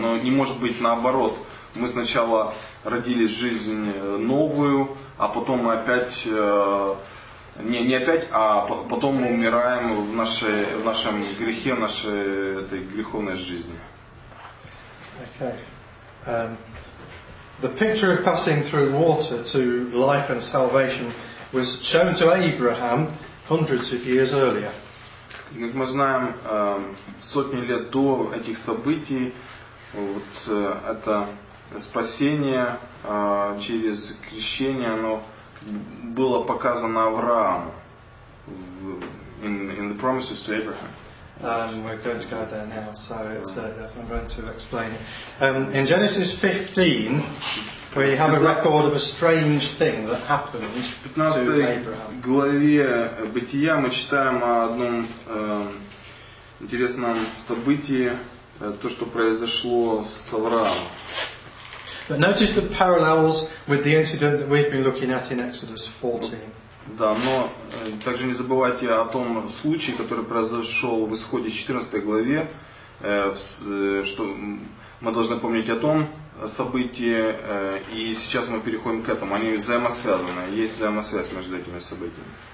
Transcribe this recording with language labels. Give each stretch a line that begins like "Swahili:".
Russian: Но не может быть наоборот. Мы сначала родились в жизнь новую, а потом мы опять, а потом мы умираем в нашем грехе, в нашей этой греховной жизни. Okay.
English: The picture of passing through water to life and salvation was shown to Abraham hundreds of years earlier.
Russian: Как мы знаем, сотни лет до этих событий, вот это спасение через крещение, оно было показано Аврааму.
English: In the promises to Abraham. We're going to go there now, so it's, I'm going to explain it. In Genesis 15, we have a record of a strange thing that happened to Abraham.
Russian: В 15 главе Бытия мы читаем о одном интересном событии, то, что произошло с Авраамом.
English: But notice the parallels with the incident that we've been looking at in Exodus 14.
Russian: Да, но также не забывайте о том случае, который произошел в исходе 14 главе, что мы должны помнить о том событии, и сейчас мы переходим к этому. Они взаимосвязаны, есть взаимосвязь между этими событиями.